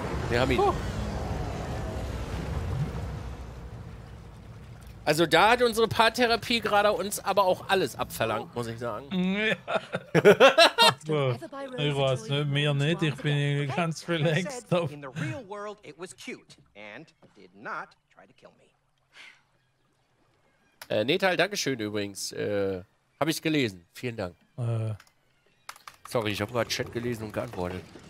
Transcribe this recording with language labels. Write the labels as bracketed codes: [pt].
[de] Wir haben ihn. Also da hat unsere Paartherapie gerade uns aber auch alles abverlangt, muss ich sagen. Ja. Ich weiß, ne, mehr nicht, ich bin ganz relaxed. Auf. [en] In the real world it was cute and did not try to kill me. [de] Netal, dankeschön übrigens. Habe ich gelesen. Vielen Dank. Sorry, ich habe gerade Chat gelesen und geantwortet.